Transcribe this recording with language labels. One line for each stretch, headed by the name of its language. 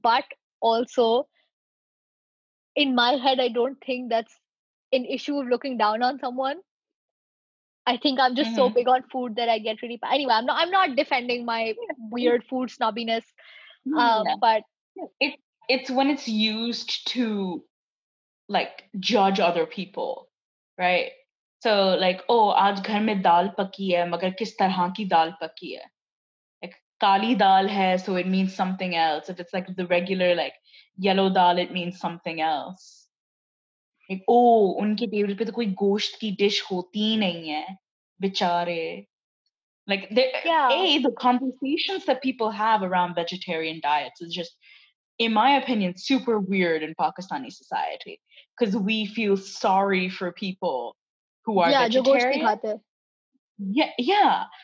English: But also, in my head, I don't think that's an issue of looking down on someone. I think I'm just mm-hmm. so big on food that I get really... Anyway, I'm not defending my weird food snobbiness. But It's when it's used to, like, judge other people, right? So, like, oh,
Urdu: آج گھر میں دال پکی ہے، مگر کس طرح کی دال پکی ہے؟
English: Like,
Urdu: کالی دال ہے،
English: so it means something else. If it's, like, the regular, like, yellow dal, it means something else. Like, oh,
Urdu: ان کے table پہ تو کوئی گوشت کی dish ہوتی نہیں ہے، بیچارے۔
English: Like, the conversations that people have around vegetarian diets is just... in my opinion, super weird in Pakistani society, because we feel sorry for people who are vegetarian. Yeah.